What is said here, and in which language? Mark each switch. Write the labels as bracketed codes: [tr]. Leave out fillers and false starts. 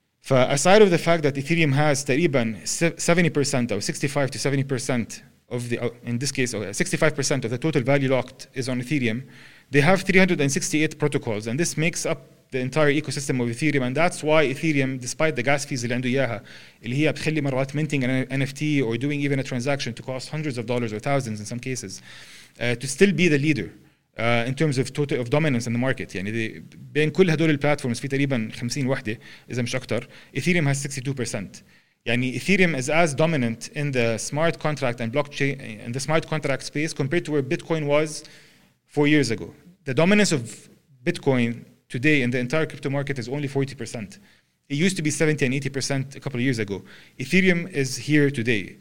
[en] Aside of the fact that Ethereum has تقريبا 70% or 65-70% of the, in this case, 65% of the total value locked is on Ethereum, they have 368 protocols, and this makes up the entire ecosystem of Ethereum, and that's why Ethereum, despite the gas fees [ar] اللي عنده إياها, اللي هي بتخلي مرات [en] minting an NFT or doing even a transaction to cost hundreds of dollars or thousands in some cases, to still be the leader in terms of total of dominance in the market. [ar] يعني the, بين كل هدول البلاتفورمز في تقريبا 50 وحدة إذا مش أكتر, [en] Ethereum has 62%. يعني Ethereum is as dominant in the smart contract and blockchain in the smart contract space compared to where Bitcoin was 4 years ago. The dominance of Bitcoin today in the entire crypto market is only 40%. It used to be 70-80% a couple of years ago. Ethereum is here today.